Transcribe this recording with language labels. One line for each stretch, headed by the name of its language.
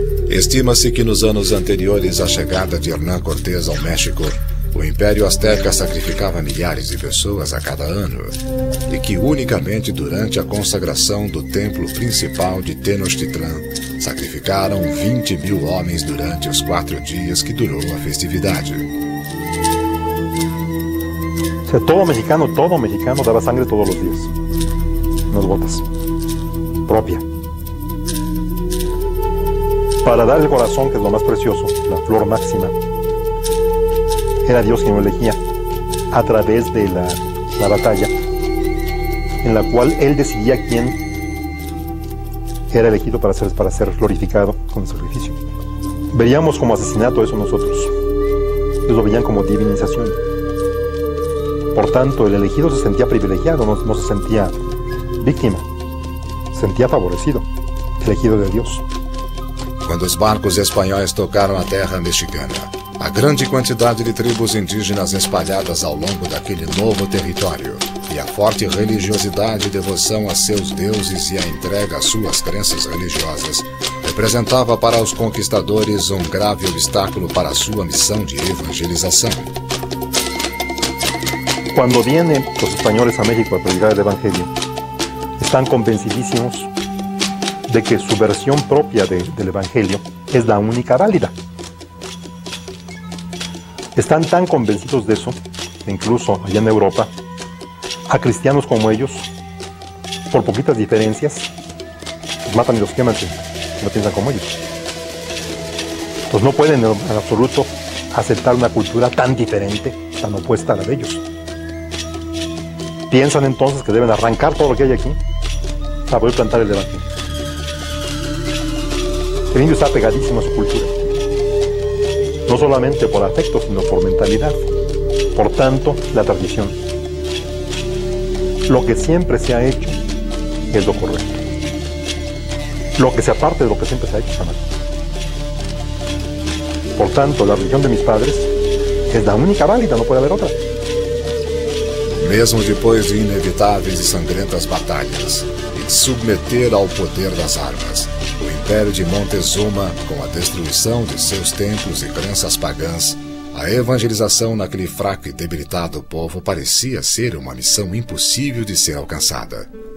Portuguese: Estima-se que nos anos anteriores à chegada de Hernán Cortés ao México, o Império Azteca sacrificava milhares de pessoas a cada ano, e que unicamente durante a consagração do templo principal de Tenochtitlan sacrificaram 20 mil homens durante os 4 dias que durou a festividade. Todo mexicano dava sangue todos os dias, nas botas, própria. Para dar o coração, que é o mais precioso, a flor máxima.
Spanish: Era Dios quien lo elegía a través de la batalla, en la cual él decidía quién era elegido para ser glorificado con el sacrificio. Veríamos como asesinato eso nosotros. Ellos lo veían como divinización. Por tanto, el elegido se sentía privilegiado, no se sentía víctima, se sentía favorecido, elegido de Dios. Cuando los barcos españoles tocaron la tierra mexicana,
Portuguese: a grande quantidade de tribos indígenas espalhadas ao longo daquele novo território e a forte religiosidade e devoção a seus deuses e a entrega às suas crenças religiosas representava para os conquistadores um grave obstáculo para a sua missão de evangelização. Quando vêm os espanhóis a México a pregar o Evangelho, estão convencidíssimos de que sua versão própria do Evangelho é a única válida.
Spanish: Están tan convencidos de eso, incluso allá en Europa, a cristianos como ellos, por poquitas diferencias, matan y los queman si no piensan como ellos. Entonces no pueden en absoluto aceptar una cultura tan diferente, tan opuesta a la de ellos. Piensan entonces que deben arrancar todo lo que hay aquí para poder plantar el evangelio. El indio está pegadísimo a su cultura, no solamente por afecto, sino por mentalidad, por tanto, la tradición. Lo que siempre se ha hecho es lo correcto. Lo que se aparte de lo que siempre se ha hecho está mal. Por tanto, la religión de mis padres es la única válida, no puede haber otra.
Portuguese: Mesmo depois de inevitáveis e sangrentas batalhas, e de submeter ao poder das armas, o Império de Montezuma, com a destruição de seus templos e crenças pagãs, a evangelização naquele fraco e debilitado povo parecia ser uma missão impossível de ser alcançada.